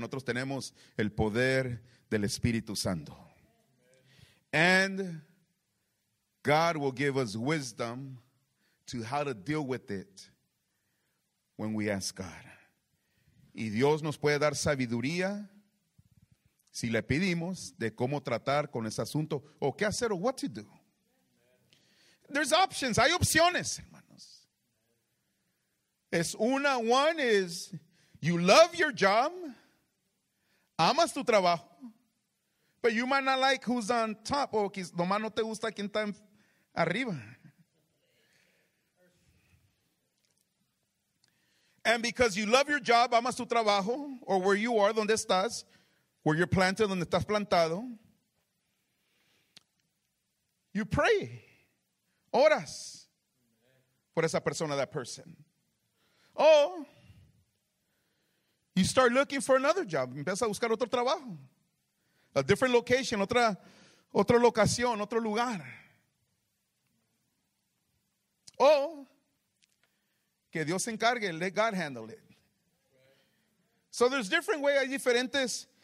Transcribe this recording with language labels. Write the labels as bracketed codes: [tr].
[es] Nosotros tenemos el poder del Espíritu Santo. [en] And God will give us wisdom to how to deal with it when we ask God. [es] Y Dios nos puede dar sabiduría si le pedimos de cómo tratar con ese asunto o qué hacer o [en] what to do. There's options. [es] Hay opciones, hermanos. Es una. [en] One is you love your job. [es] Amas tu trabajo. [en] But you might not like who's on top. [es] O nomás no te gusta quien está arriba. [en] And because you love your job, [es] amas tu trabajo, [en] or where you are, [es] donde estás, [en] where you're planted, [es] donde estás plantado, [en] you pray. [es] Oras. Por esa persona, [en] that person. Or you start looking for another job. [es] Empieza a buscar otro trabajo. [en] A different location, [es] otra locación, otro lugar. O que Dios se encargue, [en] let God handle it. So there's different ways, [es] hay diferentes